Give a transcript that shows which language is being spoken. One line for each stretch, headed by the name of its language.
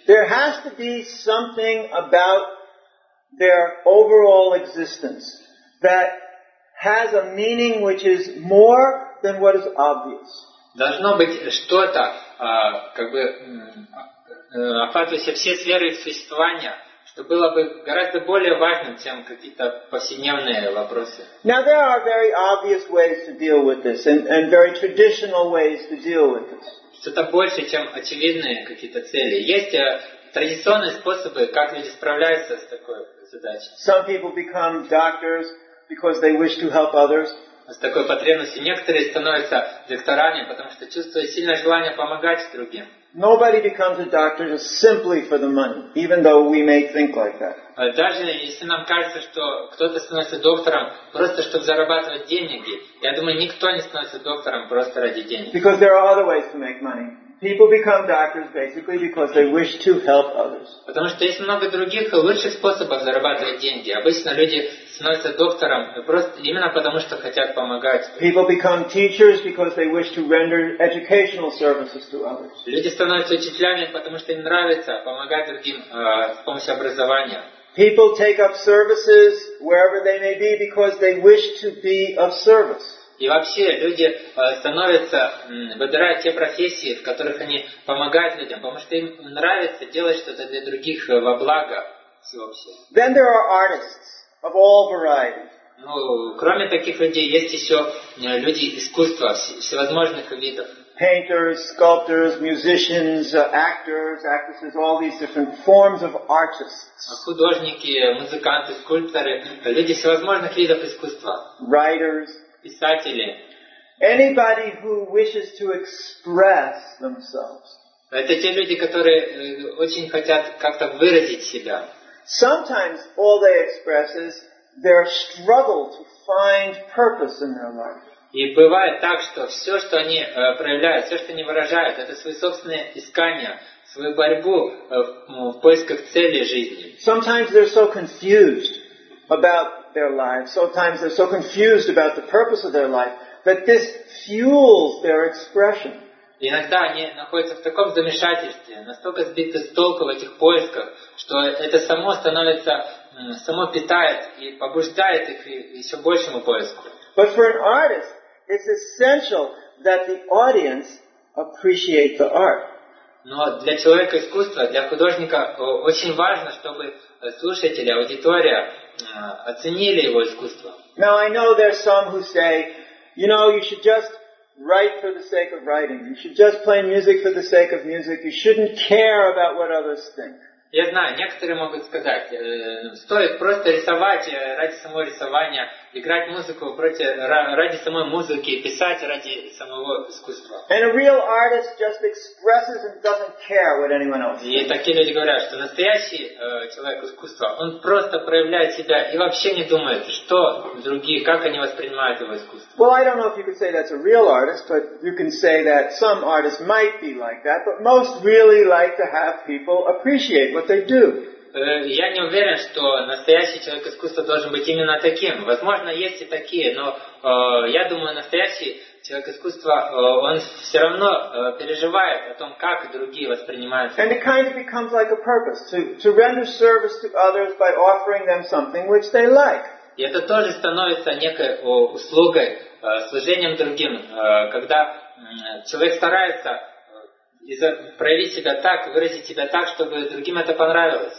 English: There has to be something about their overall existence that has a meaning which is more than what is obvious.
Russian: Должно быть что-то, как бы охватывающее все сферы их существования, что было бы гораздо более важным, чем какие-то повседневные вопросы.
English: Now there are very obvious ways to deal with this, and very traditional ways to deal with this.
Russian: Что-то больше, чем очевидные какие-то цели. Есть традиционные способы, как люди справляются с такой задачей.
English: Some people become doctors because they wish to help others.
Russian: С такой потребностью. Некоторые становятся докторами, потому что чувствуют сильное желание помогать другим.
English: Nobody becomes a doctor just simply for the money, even though we may think like that.
Russian: Даже если нам кажется, что кто-то становится доктором просто чтобы зарабатывать деньги, я думаю, никто не становится доктором просто ради денег.
English: Because there are other ways to make money. People become doctors basically because they wish to help others.
Russian: Потому что есть много других и лучших способов зарабатывать деньги. Обычно люди становятся доктором просто именно потому, что хотят помогать.
English: People become teachers because they wish to render educational services to others.
Russian: Люди становятся учителями, потому что им нравится помогать другим с помощью образования.
English: People take up services wherever they may be because they wish to be of service.
Russian: И вообще люди становятся, выбирают те профессии, в которых они помогают людям, потому что им нравится делать что-то для других во благо всеобщее.
English: Then there are artists of all varieties.
Russian: Ну, кроме таких людей, есть еще люди искусства всевозможных видов.
English: Painters, sculptors, musicians, actors, actresses, all these different forms of artists.
Russian: Художники, музыканты, скульпторы, люди всевозможных видов искусства.
English: Writers.
Russian: Писатели.
English: Anybody who wishes to express themselves.
Russian: Это те люди, которые очень хотят как-то выразить себя.
English: Sometimes all they express is their struggle to find purpose in their life.
Russian: И бывает так, что все, что они проявляют, все, что они выражают, это свои собственные искания, свою борьбу в поисках цели жизни.
English: Sometimes they're so confused about their lives. Sometimes they're so confused about the purpose of their life that this fuels their expression.
Russian: Иногда они находятся в таком замешательстве, настолько сбиты с толку в этих поисках, что это само становится само питает и побуждает их еще большему поиску.
English: But for an artist, it's essential that the audience appreciate the art.
Russian: Но для человека искусства, для художника очень важно, чтобы слушатели, аудитория оценили его искусство.
English: Now I know there's some who say, you know, you should just write for the sake of writing. You should just play music for the sake of music. You shouldn't care about what others think.
Russian: Я знаю, некоторые могут сказать, стоит просто рисовать ради самого рисования, играть музыку ради самой музыки, писать ради самого искусства.
English: And a real artist just expresses and doesn't care what anyone else thinks.
Russian: И такие люди говорят, что настоящий человек искусства, он просто проявляет себя и вообще не думает, что другие, как они воспринимают его искусство.
English: Well, I don't know if you could say that's a real artist, but you can say that some artists might be like that, but most really like to have people appreciate what they do.
Russian: Я не уверен, что настоящий человек искусства должен быть именно таким. Возможно, есть и такие, но я думаю, настоящий человек искусства, он все равно переживает о том, как другие воспринимают его.
English: And it kind of becomes like a purpose to render service to others by offering them something which they like.
Russian: И это тоже становится некой услугой, служением другим, когда человек старается и проявить себя так, выразить себя так, чтобы другим это понравилось.